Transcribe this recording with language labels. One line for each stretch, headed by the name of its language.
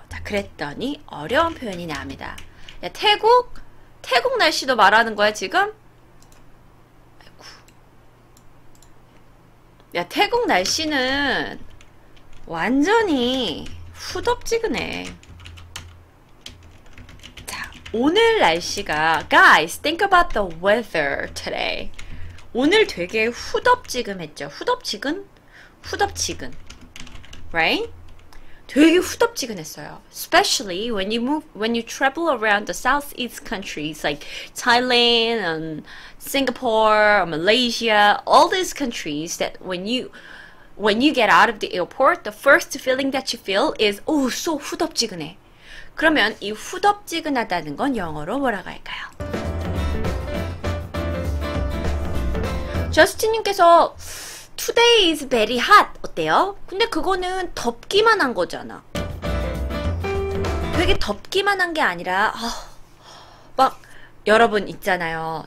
Korean: 자, 그랬더니 어려운 표현이 나옵니다. 야, 태국? 태국 날씨도 말하는 거야, 지금? 야, 태국 날씨는 완전히 후덥지근해. 오늘 날씨가,
English: guys, think about the weather today.
Korean: 오늘 되게 후덥지근했죠? 후덥지근? 후덥지근.
English: Right?
Korean: 되게 후덥지근했어요.
English: Especially when you travel around the southeast countries like Thailand and Singapore, Malaysia, all these countries that when you get out of the airport, the first feeling that you feel is, oh, so
Korean: 후덥지근해. 그러면 이 후덥지근하다는 건 영어로 뭐라고 할까요? 저스틴님께서
English: Today is very hot
Korean: 어때요? 근데 그거는 덥기만 한 거잖아. 되게 덥기만 한게 아니라 막 여러분 있잖아요.